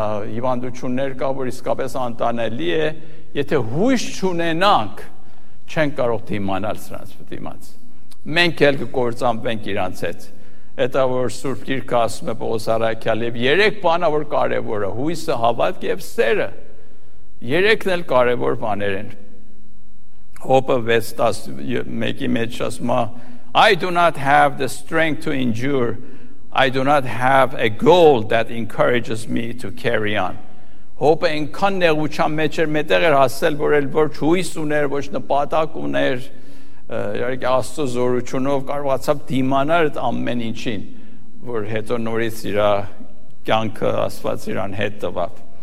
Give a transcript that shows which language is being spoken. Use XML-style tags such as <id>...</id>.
<hy>հիվանդություններ կա, որ իսկապես անտանելի է, եթե հույս չունենանք, չենք կարող դիմանալ սրանց վտիմաց, մենք էլ կկործանվենք իրանց հետ, հետա որ Սուրբ Գիրքը ասում է Պողոս Առաքյալի, և երեք բանա որ կարևորը, հույսը, հավատքը և սերը, երեքն էլ կարևոր բաներ են, հոպը 6:11-ի մեջ ասում է,</hy> <en>I do not have the strength to endure. I do not have a goal that encourages me to carry on.</en> <hy>Հոպը ինքան նեղության մեջ էր, մետեղ էր ասել, որ էլ ոչ հույս ուներ, ոչ նպատակ ուներ, իհարկե Աստծո զորությունով կարողացավ դիմանալ այդ ամեն ինչին, որ հետո նորից իր կյանքը Աստված իրան հետ տվավ.</hy>